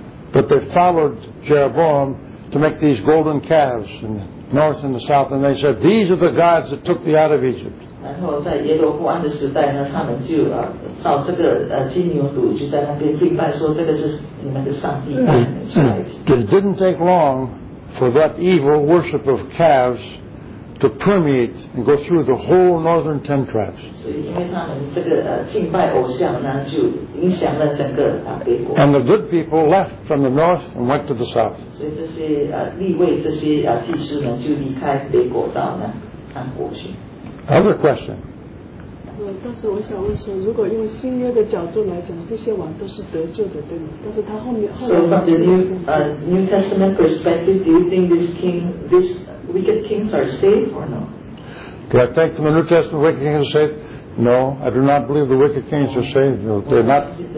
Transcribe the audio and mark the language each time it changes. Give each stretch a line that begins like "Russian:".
English: But they followed Jeroboam to make these golden calves in the north and the south, and they said, these are the gods that took thee out of Egypt.
Chinese: 然后在耶罗波安的时代呢，他们就造这个金牛犊，就在那边敬拜，说这个是你们的上帝带你们出来。
English: It didn't take long for that evil worship of calves to permeate and go through the whole northern 10 tribes.
Chinese: 所以因为他们这个敬拜偶像呢，就影响了整个北国。
English: And the good people left from the north and went to the south.
Chinese: 所以这些立位这些祭司们就离开北国到南国去。
English: Other question.
Chinese: 但是我想问说，如果用新约的角度来讲，这些王都是得救的，对吗？但是他后面后来。
English: So from the New Testament perspective, do you think these wicked kings are saved or no? Do I think from the New Testament wicked kings are saved? No, I do not believe the wicked kings are saved. No, they're not.